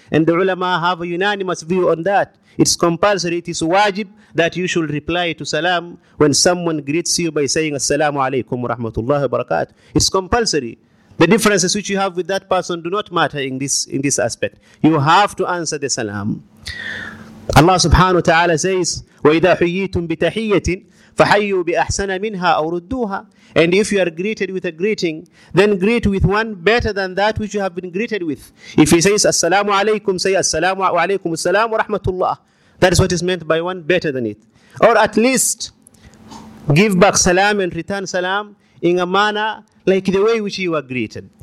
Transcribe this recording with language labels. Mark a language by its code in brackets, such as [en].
[en] And the ulama have a unanimous view on that. It's compulsory, it is wajib that you should reply to salam when someone greets you by saying Assalamu alaikum wa rahmatullahi wa barakatuh. It's compulsory. The differences which you have with that person do not matter in this aspect. You have to answer the salam. [ar] Allah subhanahu wa ta'ala says, وَإِذَا حُيِّيتُمْ بِتَحِيَّةٍ فَحَيُّوا بِأَحْسَنَ مِنْهَا أَوْ رُدُّوهَا. [en] And if you are greeted with a greeting, then greet with one better than that which you have been greeted with. If he says, Assalamu alaykum, say, Assalamu alaykum, Assalamu wa rahmatullah. That is what is meant by one better than it. Or at least give back salam and return salam in a manner like the way which you are greeted.